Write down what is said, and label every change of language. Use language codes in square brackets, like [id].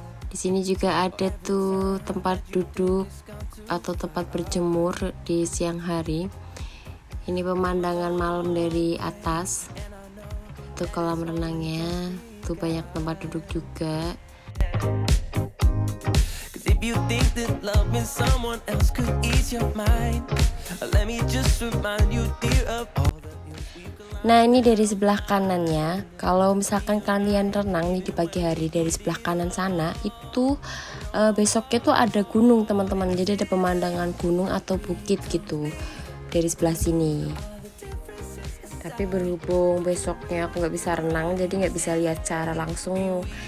[id] Di sini juga ada tuh tempat duduk atau tempat berjemur di siang hari. Ini pemandangan malam dari atas. Itu kolam renangnya. Tuh banyak tempat duduk juga. [en] If you think that loving someone else could ease your mind, let me just remind you dear of all the things. [id] Nah, ini dari sebelah kanannya. Kalau misalkan kalian renang nih di pagi hari dari sebelah kanan sana, itu besoknya tuh ada gunung teman-teman. Jadi ada pemandangan gunung atau bukit gitu dari sebelah sini. Tapi berhubung besoknya aku gak bisa renang, jadi gak bisa lihat secara langsung